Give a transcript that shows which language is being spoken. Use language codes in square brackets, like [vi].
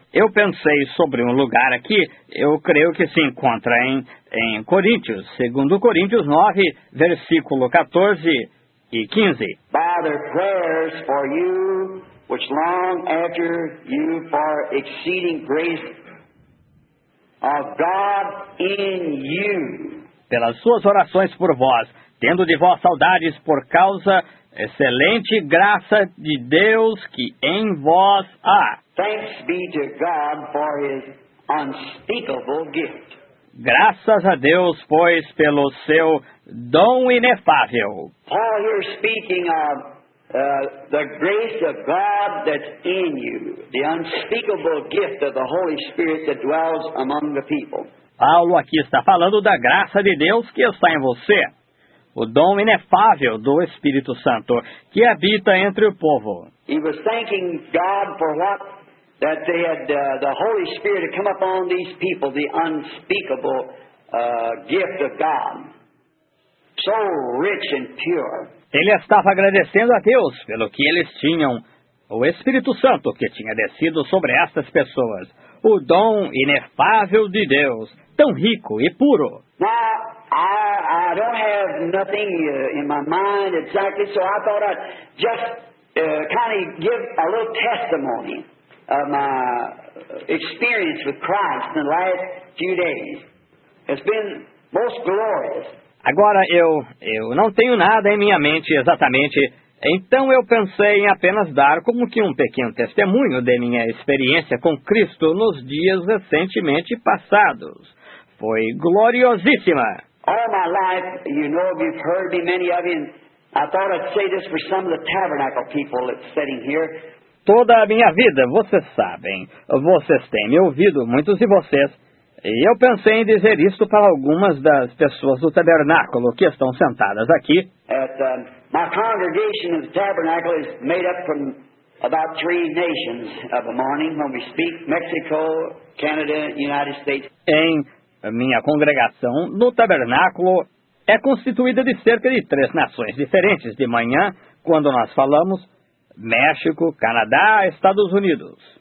[pt] Eu pensei sobre um lugar aqui, eu creio que se encontra em Coríntios, 2 Coríntios 9, versículo 14 e 15. [en] By their prayers for you, which long after you for exceeding grace of God in you. [pt] Pelas suas orações por vós, tendo de vós saudades por causa excelente graça de Deus que em vós há. [en] Thanks be to God for His unspeakable gift. [pt] Graças a Deus, pois, pelo seu dom inefável. [en] Paul here speaking of the grace of God that's in you, the unspeakable gift of the Holy Spirit that dwells among the people. [pt] Paulo aqui está falando da graça de Deus que está em você, o dom inefável do Espírito Santo que habita entre o povo. [en] He was thanking God for what? That they had the Holy Spirit to come upon these people, the unspeakable gift of God. So rich and pure. [pt] Ele estava agradecendo a Deus pelo que eles tinham, o Espírito Santo que tinha descido sobre estas pessoas, o dom inefável de Deus, tão rico e puro. [en] Now, I don't have nothing in my mind exactly, so I thought I'd just kind of give a little testimony of my experience with Christ in the last few days. It's been most glorious. [pt] Agora eu não tenho nada em minha mente exatamente, então eu pensei em apenas dar como que um pequeno testemunho de minha experiência com Cristo nos dias recentemente passados. Foi gloriosíssima. [en] All my life, you know, you've heard me, many of you, and I thought I'd say this for some of the tabernacle people that's sitting here. [pt] Toda a minha vida, vocês sabem, vocês têm me ouvido, muitos de vocês, e eu pensei em dizer isto para algumas das pessoas do tabernáculo que estão sentadas aqui. [en] My congregation of the tabernacle is made up from about three nations of the morning when we speak, Mexico, Canada, United States. [pt] Em minha congregação no tabernáculo é constituída de cerca de três nações diferentes de manhã quando nós falamos, México, Canadá, Estados Unidos.